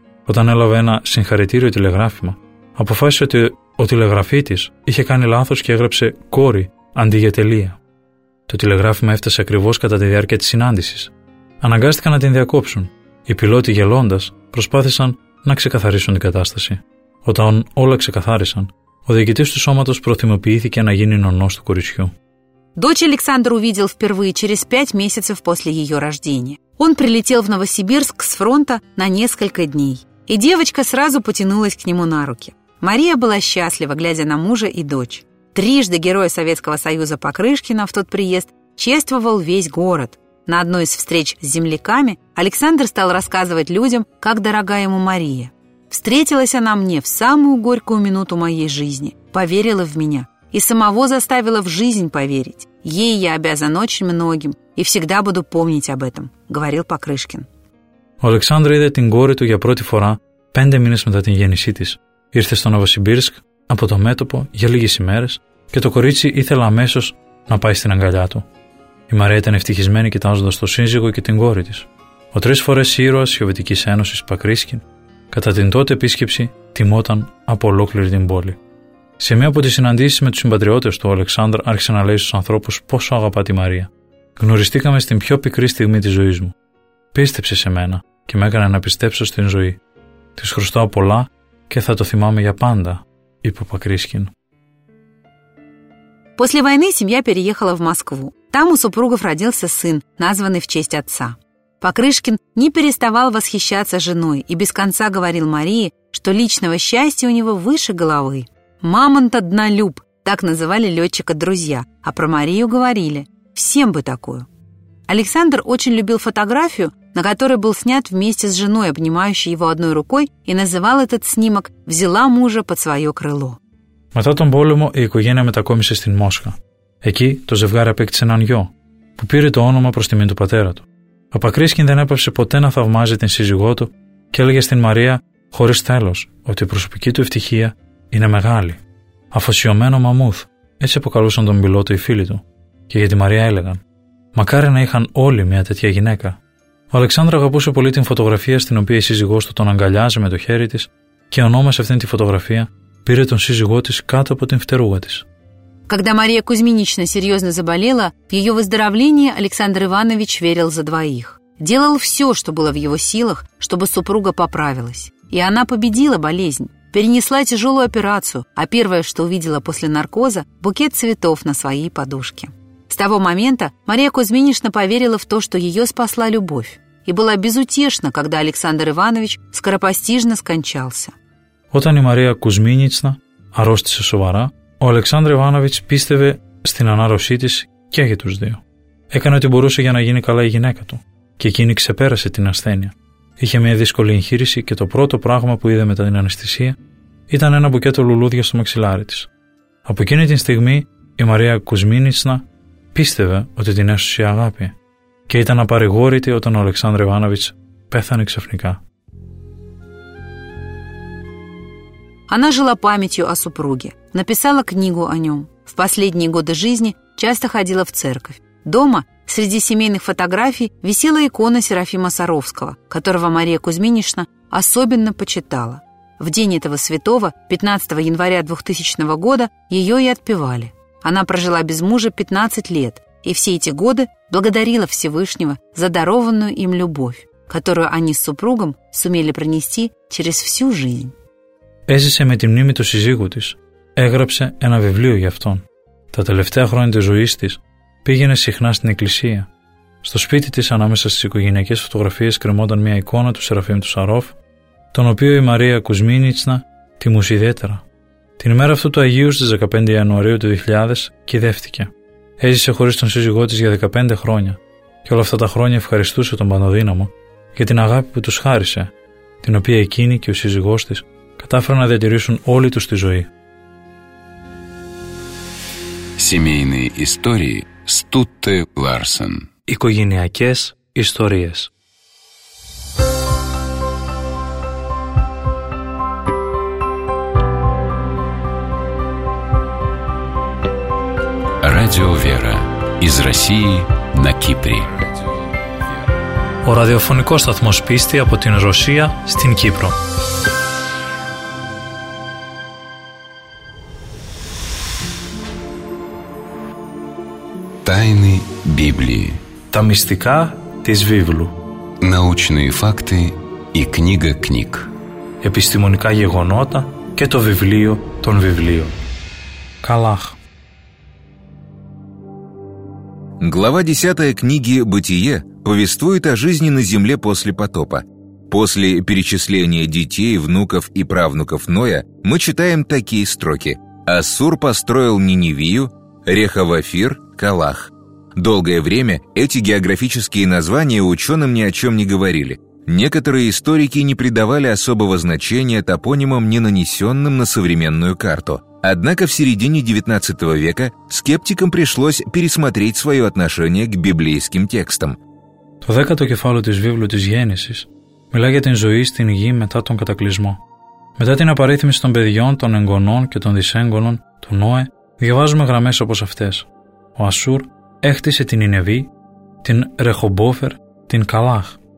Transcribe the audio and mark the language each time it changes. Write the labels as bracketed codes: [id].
[el] Όταν έλαβε ένα συγχαρητήριο τηλεγράφημα, αποφάσισε ότι ο τηλεγραφίτης είχε κάνει λάθος και έγραψε «κόρη» αντί για τελεία. Το τηλεγράφημα έφτασε ακριβώς κατά τη διάρκεια της συνάντησης. αναγκάστηκαν να την διακόψουν. Οι πιλότοι γελώντας προσπάθησαν να ξεκαθαρίσουν την κατάσταση. Όταν όλα ξεκαθάρισαν, ο διοικητής του σώματος προθυμοποιήθηκε να γίνει νονός του κοριτσιού. [ru] Дочь Александра увидел впервые через 5 месяцев после ее рождения. Он прилетел в Новосибирск с фронта на несколько дней. И девочка сразу потянулась к нему на руки. Мария была счастлива, глядя на мужа и дочь. Трижды Героя Советского Союза Покрышкина в тот приезд чествовал весь город. На одной из встреч с земляками Александр стал рассказывать людям, как дорога ему Мария. «Встретилась она мне в самую горькую минуту моей жизни, поверила в меня». И самого заставила в жизнь поверить. Ей я обязан очень многим и всегда буду помнить об этом, говорил Покрышкин. [el] Ο Александр είδε την κόρη του για πρώτη φορά 5 μήνες μετά την γέννησή της. Ήρθε στο Νοβοσιμπίρσκ από το μέτωπο για λίγες ημέρες και το κορίτσι ήθελε αμέσως να πάει στην αγκαλιά του. Η Μαρία ήταν ευτυχισμένη κοιτάζοντας τον σύζυγο και την κόρη της. Ο τρεις φορές ήρωας Σοβιετικής Ένωσης Πακρίσκιν κατά την τότε επίσκεψη τιμόταν από ολόκληρη την πόλη. Σε μία από τις συναντήσεις με τους συμπατριώτες του, ο Αλεξάνδρ άρχισε να λέει στους ανθρώπους πόσο αγαπά τη Μαρία. Γνωριστήκαμε στην πιο πικρή στιγμή της ζωής μου. Πίστεψε σε μένα και με έκανε να πιστέψω στην ζωή. Της χρωστάω πολλά και θα το θυμάμαι για πάντα, είπε ο Πακρίσκιν. [ru] После войны семья переехала в Москву. Там у супругов родился сын, названный в честь отца. Покрышкин не переставал восхищаться женой и без конца говорил Марии, что личного счастья у него выше головы. «Мамонт-однолюб» – так называли летчика друзья, а про Марию говорили – всем бы такую. Александр очень любил фотографию, на которой был снят вместе с женой, обнимающей его одной рукой, и называл этот снимок «Взяла мужа под свое крыло». [el] Μετά τον πόλεμο η οικογένεια μετακόμισε στην Μόσχα. Εκεί το ζευγάρι απέκτησε έναν γιο, που πήρε το όνομα προς τιμή του πατέρα του. Ο Πακρίσκιν δεν έπαψε ποτέ να θαυμάζει την σύζυγό του και έλεγε στην Μαρία, χωρίς τέλος, ότι η προσωπική του ευτυχία είναι μεγάλη. Αφοσιωμένο μαμούθ, έτσι αποκαλούσαν τον πιλότο οι φίλοι του. Και για τη Μαρία έλεγαν: Μακάρι να είχαν όλοι μια τέτοια γυναίκα. Ο Αλεξάνδρα αγαπούσε πολύ την φωτογραφία στην οποία η σύζυγός του τον αγκαλιάζει με το χέρι της και ονόμασε αυτήν τη φωτογραφία πήρε τον σύζυγό της κάτω από την φτερούγα της. [ru] Когда Мария Кузьминична серьезно заболела, в ее выздоровление Александр Иванович верил за двоих. Делал все, что было в его силах, чтобы супруга поправилась. И она победила болезнь. Перенесла тяжелую операцию, а первое, что увидела после наркоза, букет цветов на своей подушке. С того момента Мария Кузьминична поверила в то, что ее спасла любовь. И была безутешна, когда Александр Иванович скоропостижно скончался. [el] Όταν η Μαρία Κουσμίνιτσνα αρρώστησε σοβαρά, ο Αλεξάνδρ Ιβάνοβιτς πίστευε στην ανάρρωσή της και για τους δύο. Έκανε ό,τι μπορούσε για να γίνει καλά η γυναίκα του. Και εκείνη ξεπέρασε την ασθένεια. Είχε μια δύσκολη εγχείρηση και το πρώτο πράγμα που είδε μετά την αναισθησία ήταν ένα μπουκέτο λουλούδια στο μαξιλάρι της. Από εκείνη την στιγμή η Μαρία Κουσμίνιτσνα πίστευε ότι την έσωσε η αγάπη και ήταν απαρηγόρητη όταν ο Αλεξάνδρ Ιβάνοβιτς πέθανε ξαφνικά. [ru] Она жила памятью о супруге, написала книгу о нем. В последние годы жизни часто ходила в церковь. Дома среди семейных фотографий висела икона Серафима Саровского, которого Мария Кузьминична особенно почитала. В день этого святого, 15 января 2000 года, ее и отпевали. Она прожила без мужа 15 лет и все эти годы благодарила Всевышнего за дарованную им любовь, которую они с супругом сумели пронести через всю жизнь. [el] Έζησε με τη μνήμη του σύζυγου της. Έγραψε ένα βιβλίο για αυτόν. Τα τελευταία χρόνια της ζωής της πήγαινε συχνά στην εκκλησία. Στο σπίτι της ανάμεσα στις οικογενειακές φωτογραφίες κρεμόταν μια εικόνα του Σεραφείμ του Σαρόφ, τον οποίο η Μαρία Κουσμίνιτσνα τιμούσε ιδιαίτερα. Την ημέρα αυτού του Αγίου στις 15 Ιανουαρίου του 2000 κηδεύτηκε. Έζησε χωρίς τον σύζυγό της για 15 χρόνια και όλα αυτά τα χρόνια ευχαριστούσε τον Πανοδύναμο για την αγάπη που τους χάρισε, την οποία εκείνη και ο σύζυγός της κατάφεραν να διατηρήσουν όλη τους τη ζωή. [ru] Семейные истории Стутте Ларсен. [el] Οικογενειακές ιστορίες. [ru] Радио Вера. Из России на Кипре. [el] Ο ραδιοφωνικός σταθμός πίστη από την Ρωσία στην Κύπρο. [ru] Тайны Библии. [el] Τα μυστικά της βίβλου. [ru] Научные факты и книга книг. [el] Επιστημονικά γεγονότα και το βιβλίο των βιβλίων. Καλάχ. [ru] Глава 10 книги «Бытие» повествует о жизни на земле после потопа. После перечисления детей, внуков и правнуков Ноя мы читаем такие строки. «Ассур построил Ниневию, Рехавафир, Калах». Долгое время эти географические названия ученым ни о чем не говорили. Некоторые историки не придавали особого значения топонимам, не нанесенным на современную карту. Однако в середине XIX века скептикам пришлось пересмотреть свое отношение к библейским текстам. [el] Το 10ο κεφάλαιο της βίβλου της Γένησης μιλά για την ζωή στην γη μετά τον κατακλυσμό. Μετά την απαρίθμηση των παιδιών, των εγγονών και των δυσέγγονων του Νόε, διαβάζουμε γραμμές όπως αυτές. Ο Ασσούρ έκτισε την Νινεβή, την Ρεχομπόφερ, την Καλάχ.